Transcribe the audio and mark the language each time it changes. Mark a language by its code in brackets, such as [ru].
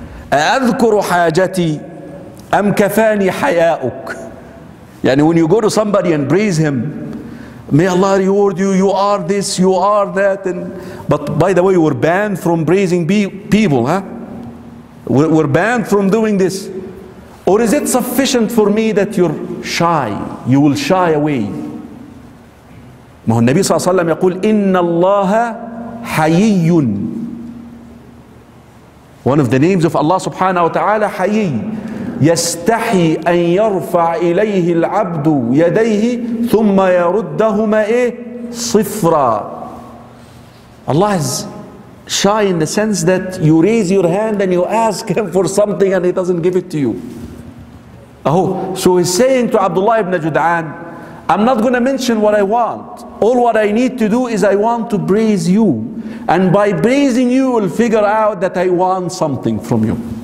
[ar] أذكر حاجتي أم كفاني حياؤك. [en] يعني when you go to somebody and praise him, may Allah reward you, you are this, you are that. And but by the way, we're banned from praising people, huh? We're banned from doing this. Or is it sufficient for me that you're shy? You will shy away. [ar] ما هو النبي صلى الله عليه وسلم يقول إن الله حيي. [en] One of the names of Allah subhanahu wa ta'ala, حيي. [ar] يستحي أن يرفع إليه العبد يديه ثم يردهما إيه صفرا. [en] Allah is shy in the sense that you raise your hand and you ask him for something and he doesn't give it to you. Oh, so he's saying to Abdullah ibn Jud'an, I'm not going to mention what I want. All what I need to do is I want to praise you. And by praising you, will figure out that I want something from you.